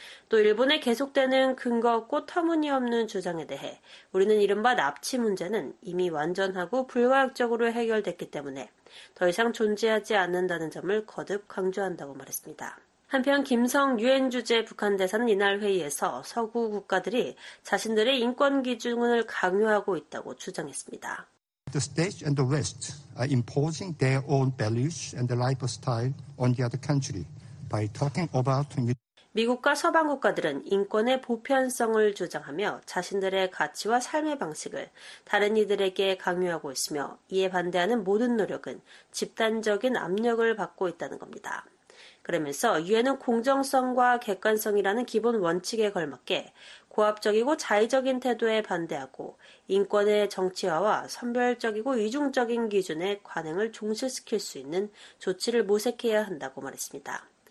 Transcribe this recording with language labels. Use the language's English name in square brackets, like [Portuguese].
[Korean] 또 일본의 계속되는 근거 없고 터무니없는 주장에 대해 우리는 이른바 납치 문제는 이미 완전하고 불가역적으로 해결됐기 때문에 더 이상 존재하지 않는다는 점을 거듭 강조한다고 말했습니다. 한편 김성 유엔 주재 북한 대사는 이날 회의에서 서구 국가들이 자신들의 인권 기준을 강요하고 있다고 주장했습니다. [English] The States and the West are imposing their own values and lifestyle on the other country by talking about [Korean] 미국과 서방 국가들은 인권의 보편성을 주장하며 자신들의 가치와 삶의 방식을 다른 이들에게 강요하고 있으며 이에 반대하는 모든 노력은 집단적인 압력을 받고 있다는 겁니다. 그러면서 유엔은 공정성과 객관성이라는 기본 원칙에 걸맞게 고압적이고 자의적인 태도에 반대하고 인권의 정치화와 선별적이고 이중적인 기준의 관행을 종식시킬 수 있는 조치를 모색해야 한다고 말했습니다.